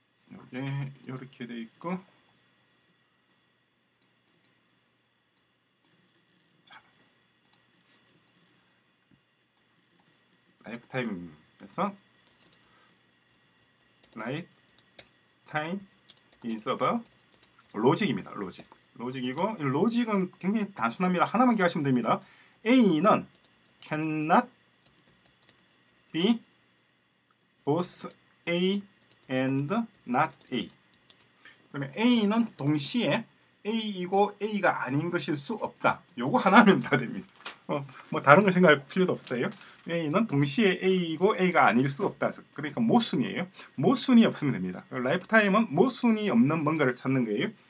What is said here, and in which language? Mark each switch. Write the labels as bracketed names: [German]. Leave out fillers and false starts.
[Korean] 이게 이렇게 돼 있고 라이프타임에서 라이프타임 인 서버 로직입니다. 로직이고 이 로직은 굉장히 단순합니다. 하나만 기억하시면 됩니다. [English] A는 cannot be both A and not A. [Korean] 그러면 A는 동시에 A이고 A가 아닌 것일 수 없다. 요거 하나면 다 됩니다. 뭐 다른 걸 생각할 필요도 없어요. A는 동시에 A이고 A가 아닐 수 없다. 그러니까 모순이에요. 모순이 없으면 됩니다. 라이프타임은 모순이 없는 뭔가를 찾는 거예요.